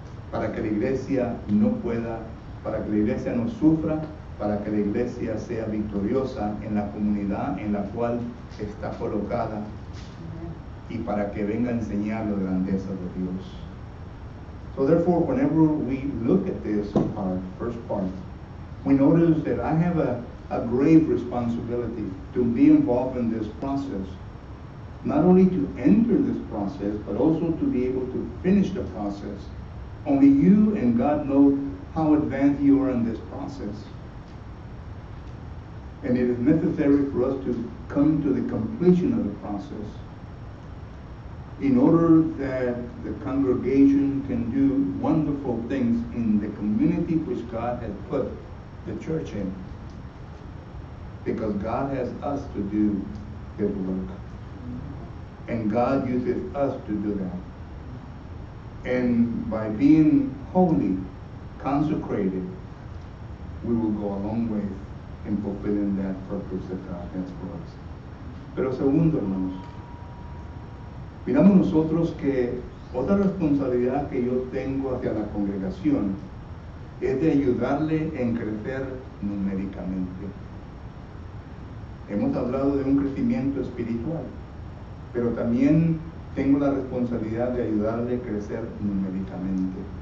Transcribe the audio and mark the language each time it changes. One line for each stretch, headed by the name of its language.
Spanish: Para que la iglesia no sufra, para que la iglesia sea victoriosa en la comunidad en la cual está colocada y para que venga a enseñar la grandeza de Dios.
English: So therefore, whenever we look at this part, first part, we notice that I have a grave responsibility to be involved in this process. Not only to enter this process, but also to be able to finish the process. Only you and God know how advanced you are in this process. And it is necessary for us to come to the completion of the process in order that the congregation can do wonderful things in the community which God has put the church in. Because God has us to do His work. And God uses us to do that. And by being holy, consecrated, we will go a long way in fulfilling that purpose that God has for us.
Spanish: Pero segundo, hermanos, miramos nosotros que otra responsabilidad que yo tengo hacia la congregación es de ayudarle en crecer numéricamente. Hemos hablado de un crecimiento espiritual, pero también tengo la responsabilidad de ayudarle a crecer numéricamente.